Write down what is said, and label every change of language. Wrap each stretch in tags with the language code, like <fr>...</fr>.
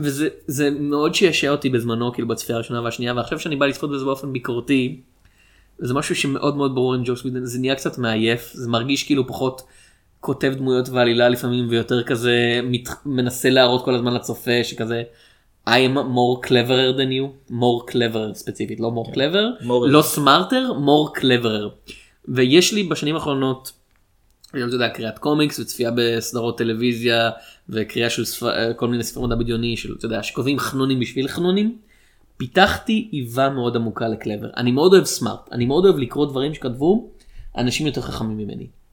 <he>וזה מאוד שישע אותי בזמנו, כאילו בצפייה הראשונה והשנייה, ועכשיו שאני בא לצפות בזה באופן ביקורתי, זה משהו שמאוד מאוד ברור עם ג'וס וידן, זה נהיה קצת מעייף, זה מרגיש כאילו פחות כותב דמויות ועלילה לפעמים, ויותר כזה מנסה להראות כל הזמן לצופה, שכזה...</he> <en>I am more cleverer than you, more cleverer</en> <he>ספציפית, לא</he> <en>more clever, לא smarter, more cleverer.</en> <he>ויש לי בשנים האחרונות, היום זה יודע, קריאת קומיקס וצפייה בסדרות טלוויזיה, וקריאה של כל מיני ספרות הבדיוני, של, אתה יודע, שקובעים חנונים בשביל חנונים, פיתחתי איבה מאוד עמוקה לקלבר. אני מאוד אוהב smart, אני מאוד אוהב לקרוא דברים שכתבו אנשים יותר חכמים ממני.</he>